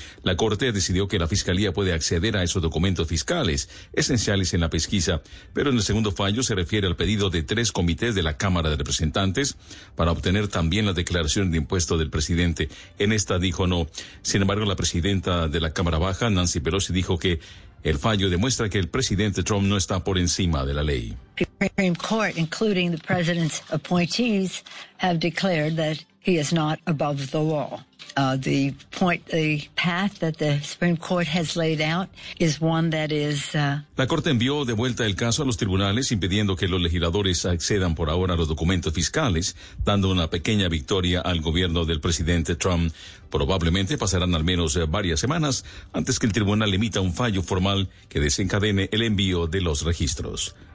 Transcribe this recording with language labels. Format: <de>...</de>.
<es>La Corte decidió que la Fiscalía puede acceder a esos documentos fiscales esenciales en la pesquisa, pero en el segundo fallo se refiere al pedido de 3 comités de la Cámara de Representantes para obtener también las declaraciones de impuestos del presidente. En esta dijo no. Sin embargo, la presidenta de la Cámara Baja, Nancy Pelosi, dijo que el fallo demuestra que el presidente Trump no está por encima de la ley.</es> <en>The Supreme Court, including the president's appointees, have declared that he is not above the law. The path that the Supreme Court has laid out is one that is.</en> <es>La Corte envió de vuelta el caso a los tribunales, impidiendo que los legisladores accedan por ahora a los documentos fiscales, dando una pequeña victoria al gobierno del presidente Trump. Probablemente pasarán al menos varias semanas antes que el tribunal emita un fallo formal que desencadene el envío de los registros.</es>